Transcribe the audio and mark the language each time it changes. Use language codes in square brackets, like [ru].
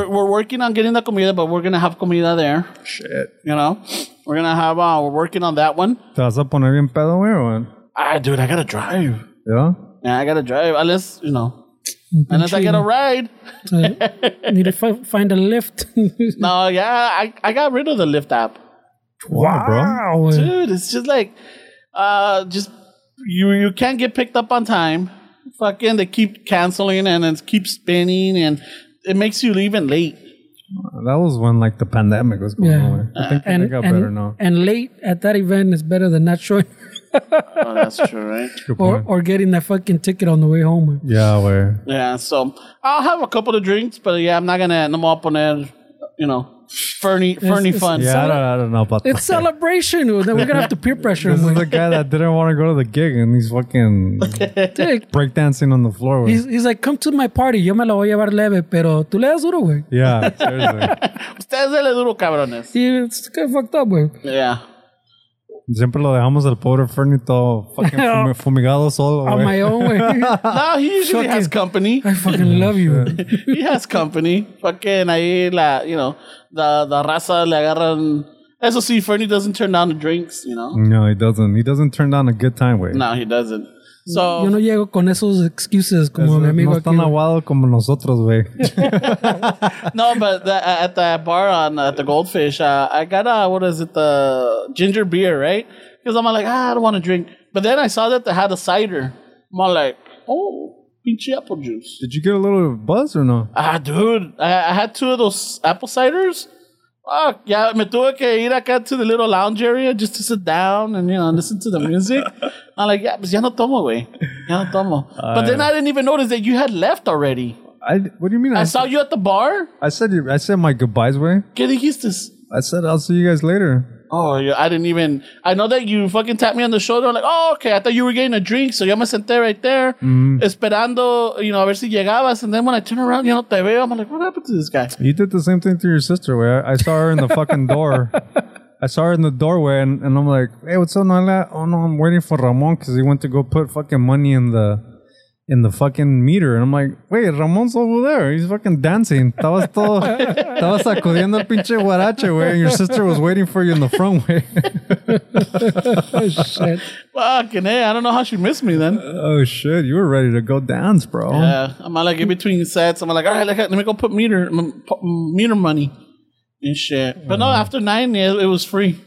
[en] Yes, we're working on getting the comida, but we're going to have comida there. Shit. You know? We're going to have, we're working on that one. [es] ¿Te vas a poner bien pedo, güey, o [en] Dude, I got to drive. Yeah? Yeah, I got to drive. Unless, you know, Unless I get a ride. Need to find a Lyft. No, yeah, I got rid of the Lyft app. Wow, bro. Dude, it's just like, just you can't get picked up on time. Fucking, they keep canceling and it keeps spinning and it makes you leave late. That was when, like, the pandemic was going on. I think they got better now. And late at that event is better than not showing. Oh, that's true, right? Or getting that fucking ticket on the way home. Yeah, So I'll have a couple of drinks, but yeah, I'm not gonna end them up on it. You know, Fernie fun. Yeah, I don't know about it's that. It's celebration. Then we're gonna have to peer pressure. This is the guy that didn't want to go to the gig, and he's fucking breakdancing on the floor. He's like, "Come to my party. [es] Yo me lo voy a llevar leve, pero tú le das duro, güey." [en] Yeah, seriously. [es] Ustedes le duro, cabrones. [en] It's kind of fucked up, güey. Yeah. [es] Siempre lo dejamos el pobre Fernie todo fucking fumigado solo. [en] On my own way. No, he usually has company. I fucking love you. He has company. Fucking [es] ahí la, [en] you know, the raza [es] le agarran. Eso sí, [en] Fernie doesn't turn down the drinks, you know. No, he doesn't. He doesn't turn down a good time, way. No, he doesn't. So, [es] yo no llego con esos excuses como mi amigo aquí. No están aguado como nosotros, güey. [en] No, but at the bar at the Goldfish, I got the ginger beer, right? Because I'm like, I don't want to drink. But then I saw that they had a cider. I'm like, oh, pinche apple juice. Did you get a little buzz or no? Ah, dude, I had two of those apple ciders. Fuck, yeah, [es] me tuve que ir acá [en] to the little lounge area just to sit down and, you know, listen to the music. I'm like, yeah, [es] pues ya no tomo, güey. Ya no tomo. [en] But then I didn't even notice that you had left already. What do you mean? I saw you at the bar. I said my goodbyes, güey. [es] ¿Qué dijiste? [en] I said, I'll see you guys later. Oh, yeah, I didn't even. I know that you fucking tapped me on the shoulder. I'm like, oh, okay. I thought you were getting a drink. [es] So yo me senté [en] right there, [es] esperando, you know, a ver si llegabas. [en] And then when I turn around, you know, [es] te veo. [en] I'm like, what happened to this guy? You did the same thing to your sister, güey. I saw her in the fucking door. I saw her in the doorway and I'm like, hey, what's up, Nala? Oh no, I'm waiting for Ramon because he went to go put fucking money in the fucking meter. And I'm like, wait, Ramon's over there. He's fucking dancing. [es] Estabas todo, estabas sacudiendo el pinche huarache, güey. [en] And your sister was waiting for you in the front way. Oh, shit. Fucking hey, I don't know how she missed me then. Oh shit, you were ready to go dance, bro. Yeah, I'm like in between sets. I'm like, all right, let me go put meter money. And shit. But no, after 9, it was free.